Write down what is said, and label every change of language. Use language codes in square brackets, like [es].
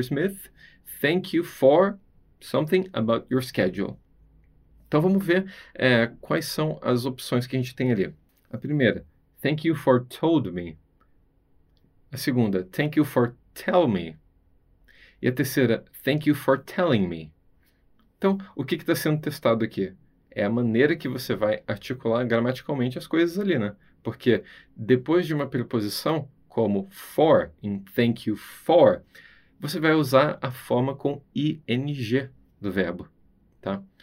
[en] Smith, thank you for something about your schedule. [pt] Então vamos ver quais são as opções que a gente tem ali. A primeira, [en] thank you for told me. [pt] A segunda, [en] thank you for tell me. [pt] E a terceira, [en] thank you for telling me. [pt] Então, o que está sendo testado aqui? É a maneira que você vai articular gramaticalmente as coisas ali, né? Porque depois de uma preposição, como for, em thank you for, você vai usar a forma com ing do verbo, tá?